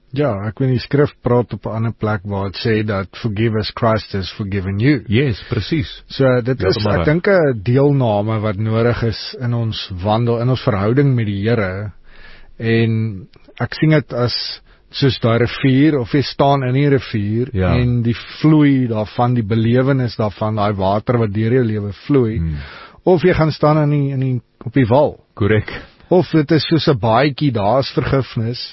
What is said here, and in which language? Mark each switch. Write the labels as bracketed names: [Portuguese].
[Afrikaans] Ja, ek weet die skrif praat op 'n ander plek waar het sê dat [English] forgive as Christ has forgiven you. [Afrikaans] Yes, precies. So dit is, ek dink, een deelname wat nodig is in ons wandel, in ons verhouding met die Here. En ek sien het as soos die rivier, of jy staan in die rivier, ja. En die vloei daarvan, die belewenis daarvan, die water wat deur jou lewe vloei, of jy gaan staan op die wal. [English] Correct. [Afrikaans] Of dit is soos 'n baaikie, daar is vergifnis,